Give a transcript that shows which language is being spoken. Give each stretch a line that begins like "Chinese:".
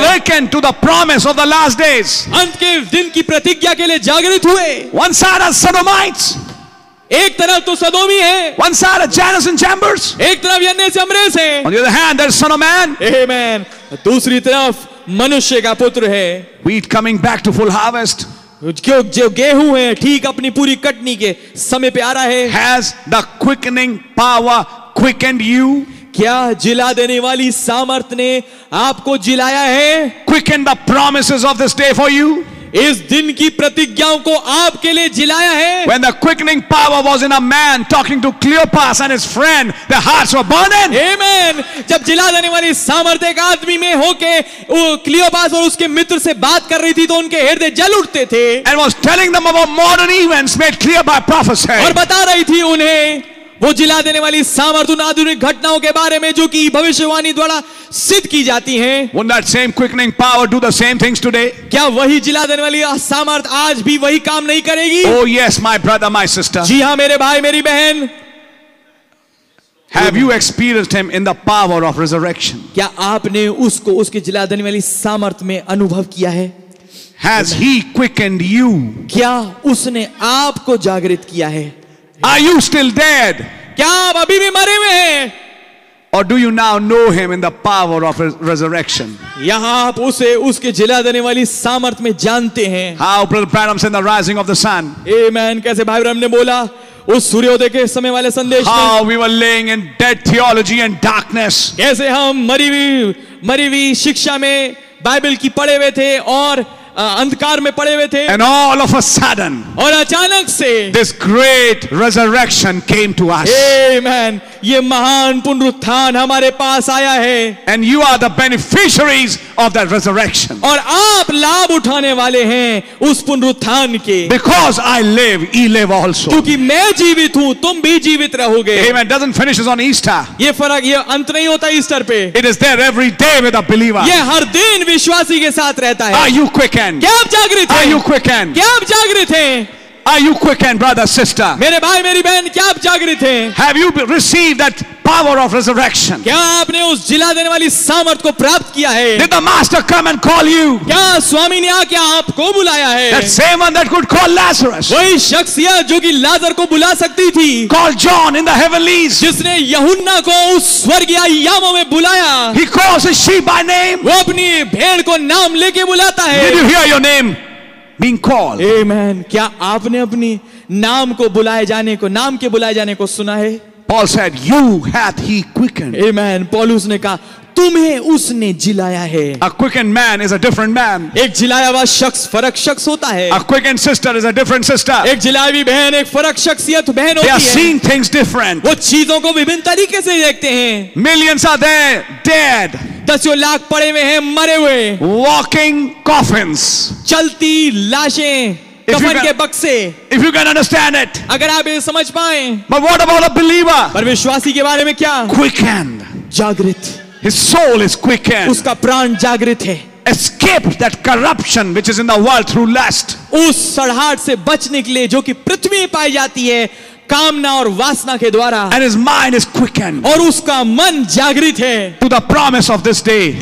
English: Awakened to the promise of the last days.
Hindi: अंत के दिन की प्रतिज्ञा के लिए जागृत हुए
English: One side are Sodomites.
Hindi: एक तरफ तो सदोमी है
English: One side are Jannes and Jambres.
Hindi: एक तरफ यन्ने से अम्रेस है
English: On the other hand, there's Son of Man. Amen.
Hindi: दूसरी तरफ मनुष्य का पुत्र है
English: Wheat coming back to full harvest.
Hindi: जो गेहूं है ठीक अपनी पूरी कटनी के समय पे आ रहा है
English: Has the quickening power quickened you?
Hindi: क्या जिला देने वाली सामर्थ ने आपको जिलाया है
English: Quickened the promises of this day for you?
Hindi: इस दिन की प्रतिज्ञाओं को आपके लिए जिलाया है
English: When the quickening power was in a man talking to Cleopas and his friend, their hearts were burning. Amen.
Hindi: जब जिला देने वाली सामर्थ्य एक आदमी में होके वो क्लियोपास और उसके मित्र से बात कर रही थी तो उनके हृदय जल उठते थे
English: And was telling them about modern events made clear by prophecy.
Hindi: और बता रही थी उन्हें वो जिला देने वाली सामर्थ्य आधुनिक घटनाओं के बारे में जो कि भविष्यवाणी द्वारा सिद्ध की जाती हैं।
English: Won't that same quickening power do the same things today?
Hindi: क्या वही जिला देने वाली सामर्थ्य आज भी वही काम नहीं करेगी?
English: Oh yes, my brother, my sister.
Hindi: जी हाँ, मेरे भाई, मेरी बहन।
English: Have you experienced him in the power of resurrection?
Hindi: क्या आपने उसको उसके जिला देने वाली सामर्थ्य में अनुभव किया है?
English: Has he quickened you?
Hindi: क्या उसने आपको जागृत किया है?
English: Are you still dead?
Hindi: क्या आप अभी भी मरे हुए हैं?
English: Or do you now know him in the power of his resurrection?
Hindi: यहाँ आप उसे उसके जिला देने वाली सामर्थ में जानते हैं।
English: How brother Branham said the rising of the sun? Amen.
Hindi: कैसे भाई ब्रह्म ने बोला उस सूर्योदय के समय वाले संदेश में?
English: How we were laying in dead theology and darkness?
Hindi: कैसे हम मरी हुई शिक्षा में बाइबल की पढ़े हुए थे और अंधकार में पड़े हुए थे
English: and all of a sudden
Hindi: और अचानक से
English: this great resurrection came to us
Hindi: आमेन ये महान पुनरुत्थान हमारे पास आया है.
English: And you are the beneficiaries of the resurrection.
Hindi: और आप लाभ उठाने वाले हैं उस पुनरुत्थान के.
English: Because I live ye live also.
Hindi: क्योंकि मैं जीवित हूं तुम भी जीवित रहोगे.
English: Amen. Doesn't finish on Easter.
Hindi: ये फर्क ये अंत नहीं होता ईस्टर पे.
English: It is there every day with a believer.
Hindi: ये हर दिन विश्वासी के साथ रहता है.
English: Are you quicken?
Hindi: क्या आप जागृत हैं?
English: Are you quicken?
Hindi: क्या आप जागृत हैं?
English: Are you quickened, brother, sister?
Hindi: मेरे भाई मेरी बहन क्या आप जागृत हैं?
English: Have you received that power of resurrection?
Hindi: क्या आपने उस जिला देने वाली सामर्थ को प्राप्त किया है?
English: Did the master come and call you?
Hindi: क्या स्वामी ने आके आपको बुलाया है?
English: That same one that could call Lazarus.
Hindi: वही शख्सियत जो कि लाजर को बुला सकती थी.
English: Called John in the heavenlies.
Hindi: जिसने यहुन्ना को उस स्वर्गीय यामो में बुलाया.
English: He calls his sheep by name.
Hindi: वो अपनी भेड़ को नाम लेके बुलाता है.
English: Did you hear your name? Being called. Amen.
Hindi: क्या आपने अपनी नाम को बुलाए जाने को नाम के बुलाए जाने को सुना है?
English: Paul said, "You hath he quickened." Amen.
Hindi: Paulus ने कहा, तुम्हें उसने जिलाया है.
English: A quickened man is a different man.
Hindi: एक जिलाया हुआ शख्स फरक शख्स होता है.
English: A quickened sister is a different sister.
Hindi: एक जिलाई हुई बहन एक फरक शख्सियत बहन होती है.
English: They are seeing things different.
Hindi: वो चीजों को विभिन्न तरीके से देखते हैं.
English: Millions are there dead.
Hindi: दसियों lakh पड़े हुए हैं मरे हुए.
English: Walking coffins.
Hindi: चलती लाशें कफन के बक्से.
English: If you can understand it.
Hindi: अगर आप ये समझ पाए.
English: But what about a believer?
Hindi: पर विश्वासी के बारे में क्या?
English: Quickened.
Hindi: जागृत.
English: His soul is quickened.
Hindi: उसका प्राण जागृत है.
English: Escaped that corruption which is in the world through lust.
Hindi: उस सड़हाट से बच निकले जो कि पृथ्वी में पाई जाती है कामना और वासना के द्वारा.
English: And his mind is quickened.
Hindi: और उसका मन जागृत है.
English: To the promise of this day.